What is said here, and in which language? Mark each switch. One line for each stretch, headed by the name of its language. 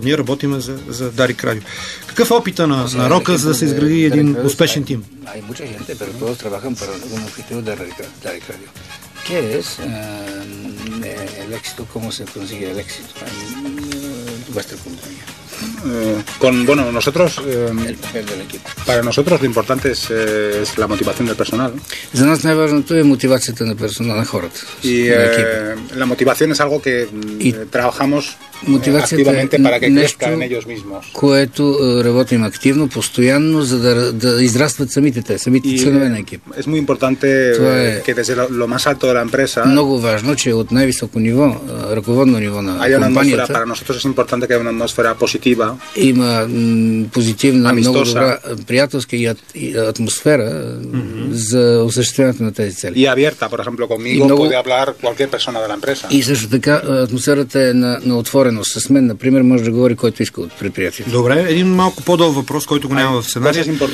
Bulgarian: Ние работим за Дарик Радио. Какъв е опита на Рока, за да се изгради един успешен тим? Най-муча хенте, пера това трябвахам пара на ефективо Дарик Радио.
Spanish: ¿Qué es el éxito? ¿Cómo se consigue el éxito en vuestra compañía? Nosotros... El papel del equipo. Para nosotros lo importante es la motivación del personal.
Bulgarian: За нас най-важното е мотивацията на персонала, на хората.
Spanish: Y la motivación es algo que trabajamos activamente para que crezca en ellos mismos.
Bulgarian: Което работим активно, постоянно, за да израстват самите членове на екип.
Spanish: Es muy importante que desde lo más alto de la empresa...
Bulgarian: Много важно, че от най-високо ниво, ръководно ниво на компанията...
Spanish: Para nosotros es importante que haya una atmósfera positiva.
Bulgarian: Има позитивна, много добра приятелска и атмосфера за осъществяването на тези цели.
Spanish: И абиерта, por ejemplo, conmigo puede hablar cualquier persona de la empresa.
Bulgarian: И също така атмосферата е на отвореност. С мен, например, може да говори който иска от предприятието. Добре, един малко по-дълъг въпрос, който го няма в сценария.